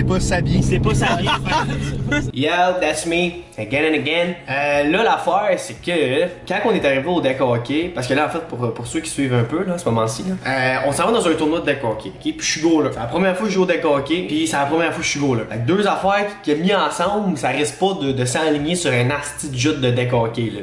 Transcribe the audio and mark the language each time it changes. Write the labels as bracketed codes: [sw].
[fr] C'est pas juste pas goalé, c'est pas s'habiller. [en] Yo, that's me, again and again. [fr] Là, l'affaire, c'est que quand on est arrivé au deck hockey, parce que là, en fait, pour ceux qui suivent un peu, là, à ce moment-ci, là, on s'en va dans un tournoi de deck hockey, okay? Puis je suis goaler. C'est la première fois que je joue au deck hockey, puis c'est la première fois que je suis goaler. Fait que deux affaires qui mis ensemble, ça risque pas de s'aligner sur un asti de jute de deck hockey, là.